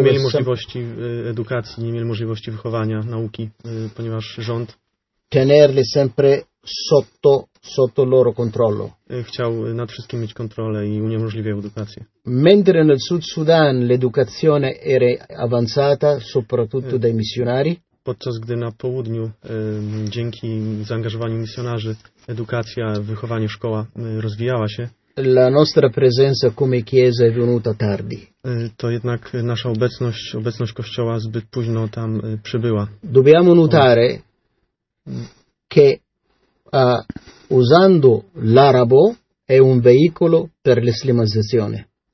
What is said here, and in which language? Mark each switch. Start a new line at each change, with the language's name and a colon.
Polish: Nie mieli możliwości edukacji, nie mieli możliwości wychowania, nauki, ponieważ rząd
Italian: tenerli sempre sotto loro controllo.
Polish: Chciał nad wszystkim mieć kontrolę i uniemożliwiał edukację.
Italian: Mentre nel Sud Sudan l'educazione era avanzata soprattutto dai missionari.
Polish: Podczas gdy na południu dzięki zaangażowaniu misjonarzy edukacja, wychowanie, szkoła rozwijała się.
Italian: La nostra presenza come chiesa è venuta tardi.
Polish: To jednak nasza obecność kościoła zbyt późno tam przybyła.
Italian: Dobbiamo notare che usando l'arabo è un veicolo per l'islamizzazione.